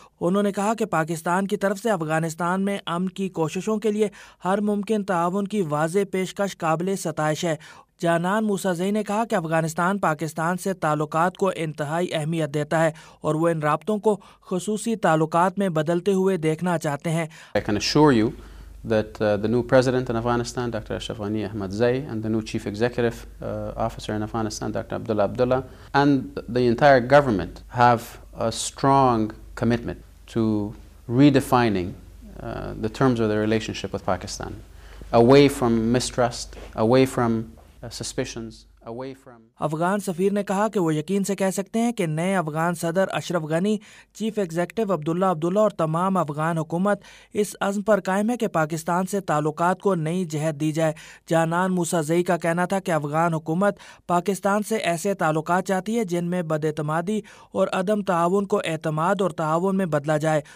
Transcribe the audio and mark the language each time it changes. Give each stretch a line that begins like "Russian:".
Urdu: انہوں نے کہا کہ پاکستان کی طرف سے افغانستان میں امن کی کوششوں کے لیے ہر ممکن تعاون کی واضح پیشکش قابل ستائش ہے. جانان موسیٰ‌زئی نے کہا کہ افغانستان پاکستان سے تعلقات کو انتہائی اہمیت دیتا ہے، اور وہ ان رابطوں کو خصوصی تعلقات میں بدلتے ہوئے دیکھنا چاہتے ہیں.
English: I can assure you that the new president in Afghanistan, Dr. Ashraf Ghani Ahmadzai, and the new chief executive officer in Afghanistan, Dr. Abdullah Abdullah, and the entire government have a strong commitment to redefining the terms of their relationship with Pakistan, away from mistrust, away from suspicions.
Urdu: Afghan سفیر نے کہا کہ وہ یقین سے کہہ سکتے ہیں کہ نئے افغان صدر اشرف غنی، چیف ایگزیکٹو عبداللہ عبداللہ اور تمام افغان حکومت اس عزم پر قائم ہے کہ پاکستان سے تعلقات کو نئی جہت دی جائے. جانان موسیٰ‌زئی کا کہنا تھا کہ افغان حکومت پاکستان سے ایسے تعلقات چاہتی ہے جن میں بد اعتمادی اور عدم تعاون کو اعتماد اور تعاون میں بدلا جائے.